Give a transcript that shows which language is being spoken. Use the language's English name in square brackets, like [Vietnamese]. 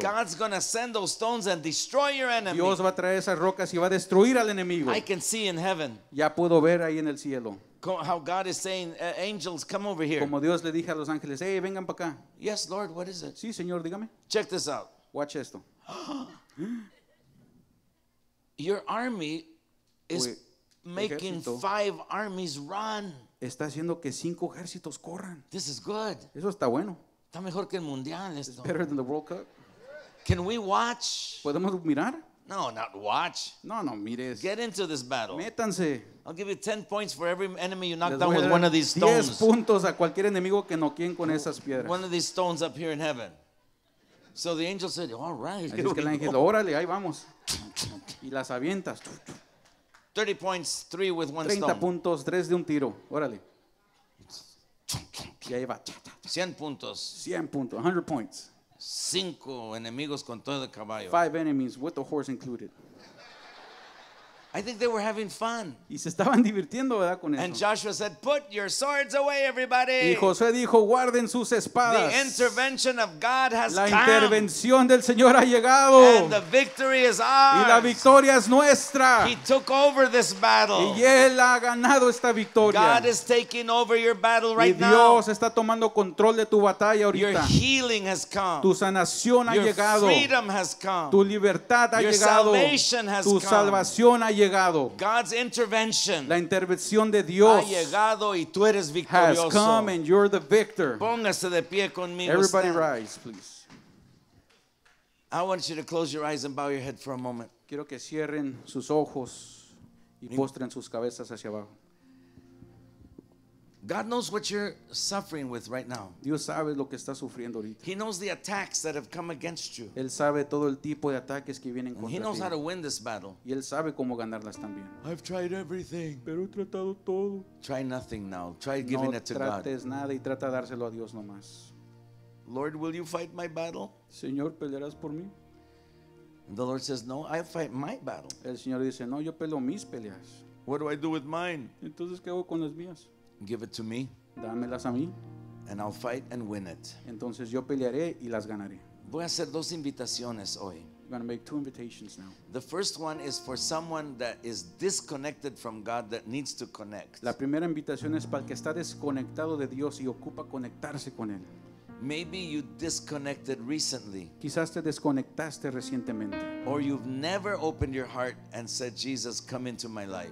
[English] God's going to send those stones and destroy your enemy. [Spanish] Dios va a traer esas rocas y va a destruir al enemigo. [English] I can see in heaven. [Spanish] Ya puedo ver ahí en el cielo. [English] How God is saying, angels, come over here. [Spanish] Como Dios le dije a los ángeles, hey, vengan para acá. [English] Yes, Lord, what is it? [Spanish] Sí, Señor, dígame. [English] Check this out. Watch [Spanish] esto. [English] Your army is making five armies run. [Spanish] Está haciendo que cinco ejércitos corran. [English] This is good. [Spanish] Eso está bueno. Está mejor que el mundial esto. [English] It's better than the World Cup. Can we watch? [Spanish] ¿Podemos mirar? [English] No, not watch. [Spanish] No, no, mires. [English] Get into this battle. [Spanish] Métanse. [English] I'll give you 10 points for every enemy you knock down with one of these stones. [Spanish] 10 puntos a cualquier enemigo que noqueen con esas piedras. [English] One of these stones up here in heaven. So the angel said, all right. [Spanish] Es que el ángel, órale, ahí vamos. Y las avientas. [English] 30 points, 3 with one 30 stone. [Spanish] 30 puntos, 3 de un tiro. Órale. Y ahí va. 100 puntos. 100 puntos, [English] 100 points. [Spanish] 5 enemigos con todo el caballo. [English] 5 enemies with the horse included. I think they were having fun. [Spanish] Y se estaban divirtiendo, ¿verdad, con eso? [English] And Joshua said, put your swords away, everybody. [Spanish] Y Josué dijo, guarden sus espadas. [English] The intervention of God has come. [Spanish] La intervención del Señor ha llegado. [English] And the victory is ours. [Spanish] Y la victoria es nuestra. [English] He took over this battle. [Spanish] Y él ha ganado esta victoria. [English] God is taking over your battle right now. [Spanish] Y Dios está tomando control de tu batalla ahorita. [English] Your healing has come. [Spanish] Tu sanación ha llegado. [English] Your freedom has come. [Spanish] Tu libertad ha llegado. [English] Your salvation has come. [Spanish] Tu salvación ha llegado. [English] God's intervention. [Spanish] La intervención de Dios ha llegado y tú eres victorioso. [English] Has come and you're the victor. [Spanish] Póngase de pie conmigo. [English] Everybody rise, please. I want you to close your eyes and bow your head for a moment. [Spanish] Quiero que cierren sus ojos y postren sus cabezas hacia abajo. [English] God knows what you're suffering with right now. [Spanish] Dios sabe lo que está sufriendo ahorita. [English] He knows the attacks that have come against you. [Spanish] Él sabe todo el tipo de ataques que vienen contra ti. [English] He knows how to win this battle. [Spanish] Y él sabe cómo ganarlas también. [English] I've tried everything. [Spanish] Pero he tratado todo. [English] Try nothing now. Try giving it to God. [Spanish] No trates nada y trata de dárselo a Dios nomás. [English] Lord, will you fight my battle? [Spanish] Señor, ¿pelearás por mí? [English] The Lord says, "No, I'll fight my battle." [Spanish] El Señor dice, "No, yo peleo mis peleas." [English] What do I do with mine? [Spanish] Entonces, ¿qué hago con las mías? [English] Give it to me. [Spanish] Dámelas a mí. [English] And I'll fight and win it. [Spanish] Entonces, yo pelearé y las ganaré. Voy a hacer dos invitaciones hoy. [English] I'm going to make two invitations now. The first one is for someone that is disconnected from God that needs to connect. [Spanish] La primera invitación es para el que está desconectado de Dios y ocupa conectarse con él. [English] Maybe you disconnected recently. [Spanish] Quizás te desconectaste recientemente. [English] Or you've never opened your heart and said, "Jesus, come into my life."